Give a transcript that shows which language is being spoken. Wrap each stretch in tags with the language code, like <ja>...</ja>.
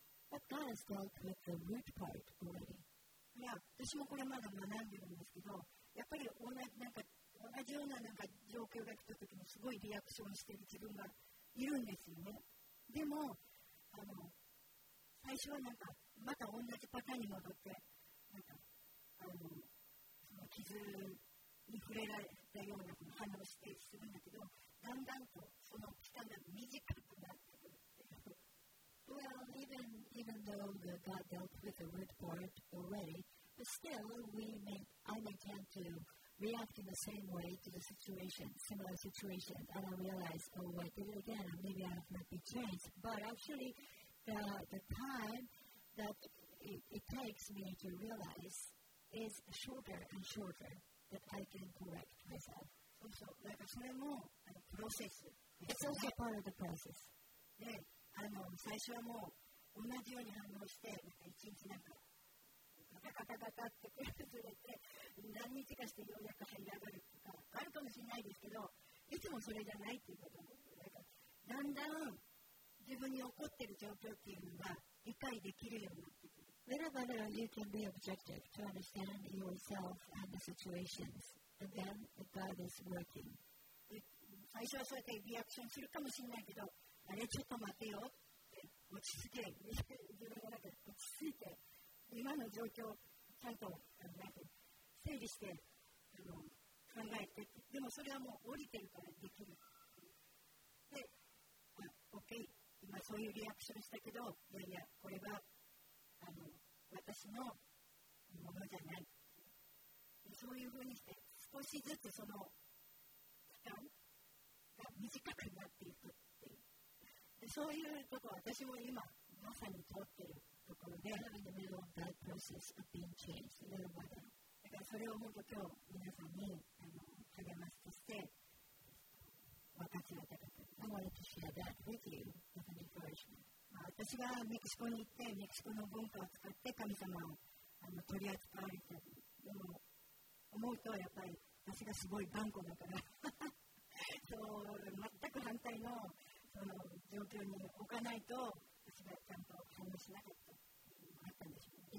<en>But God has dealt with the root part already.</en> <ja>いや、私もこれまだ学んでるんですけど、やっぱり同じような状況が来たときに、すごいリアクションしている自分がいるんですよね。でも、最初はなんかまた同じパターンに戻ってなんかその傷に触れられたような反応してするんだけど、だんだんとその期間が短くなってくる。</ja> <en>Well, even though God dealt with the root part already, but still I may tend to react in the same way to the situation, similar situation, and I realize, oh, I did it again. Maybe I have not been changed, but actually. The time that it takes me to realize is shorter and shorter that I can correct myself. So, like,</en> <ja>それも</ja> <en>process. It's also part of the process.</en> <ja>で、最初はもう同じように反応して、なんか一日なんかガタガタガタってずれて、何日かしてようやく這い上がるとかあるかもしれないですけど、いつもそれじゃないっていうことなんだろう。自分に起こっている状況っていうのが理解できるようになってくる。</ja> <en>Whenever you can be objective to understand yourself and the situations, and then God is working.</en> <ja>最初はそうやってリアクションするかもしれないけど、あれちょっと待てよ。落ち着け。自分の中で落ち着いて、今の状況をちゃんと整理して考えて。でもそれはもう降りてるからできる。で、OK。まあ、そういうリアクションしたけど、いやいや、これが私のものじゃない。そういうふうにして、少しずつその期間が短くなっていくっていう。そういうところ、私も今、まさに通っているところで、</ja> <en>in the middle of that process of being changed,</en> <ja>だからそれを本当今日、皆さんに励ましとして、分かち合いたかった。</ja> <en>I wanted to share that with you with an encouragement.</en> <ja>私がメキシコに行って、メキシコの文化を使って神様を取り扱われて、でも思うとやっぱり私がすごい頑固だから、そう全く反対 その状況に置かないと、私がちゃんと反応しなかったあったんでしょう。</ja>